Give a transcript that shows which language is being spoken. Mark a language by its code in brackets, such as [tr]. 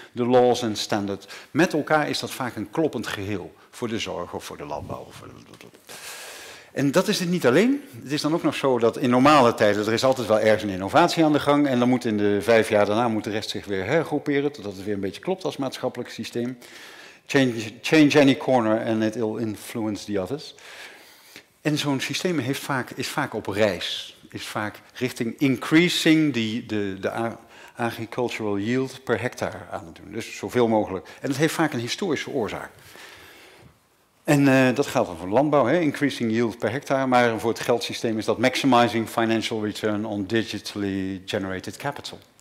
[nl] De laws en standards. Met elkaar is dat vaak een kloppend geheel voor de zorg of voor de landbouw. En dat is het niet alleen. Het is dan ook nog zo dat in normale tijden, er is altijd wel ergens een innovatie aan de gang. En dan moet in de 5 jaar daarna moet de rest zich weer hergroeperen, totdat het weer een beetje klopt als maatschappelijk systeem. [en] Change any corner and it will influence the others. [nl] En zo'n systeem is vaak op reis. Is vaak richting increasing de [en] agricultural yield per hectare [nl] aan het doen. Dus zoveel mogelijk. En dat heeft vaak een historische oorzaak. En dat geldt dan voor landbouw, hè? [en] Increasing yield per hectare, [nl] maar voor het geldsysteem is dat [en] maximizing financial return on digitally generated capital.